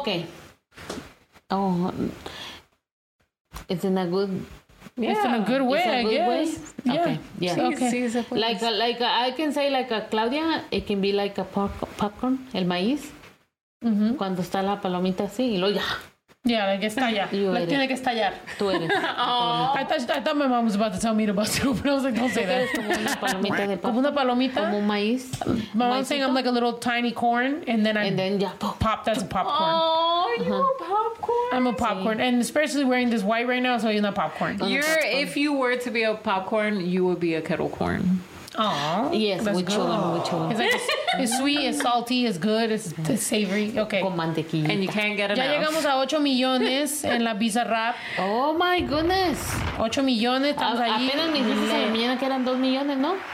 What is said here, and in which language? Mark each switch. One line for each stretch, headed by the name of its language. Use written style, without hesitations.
English: Okay. Oh. It's in a good... Yeah. It's in a good way, a I good guess. Way? Okay. Yeah. Okay. Like I can say like a Claudia, it can be like a popcorn,
Spanish: el maíz. Mm-hmm. Cuando está la palomita así y lo ya.
English: Yeah, like,
Spanish: estalla. Tiene que estallar. Tú eres. Oh.
English: I thought my mom was about to tell me to bust it open. I was like, don't say that.
Spanish: Como una palomita. Como un maíz.
English: My mom's saying I'm like a little tiny corn, and then that's a popcorn. Oh, you're a popcorn. I'm a popcorn.
Spanish: Sí.
English: And especially wearing this white right now, so you're not popcorn. If you were to be a popcorn, you would be a kettle corn. Aww. Yes, we chill. It's sweet, it's salty, it's good, it's savory. Okay.
Spanish: Con mantequilla.
English: And you can't get enough.
Spanish: Ya llegamos a 8 millones en la Visa Rap.
English: Oh my goodness.
Spanish: 8 millones, estamos ahí. Apenas me dijiste en la mañana que eran 2 millones, ¿no?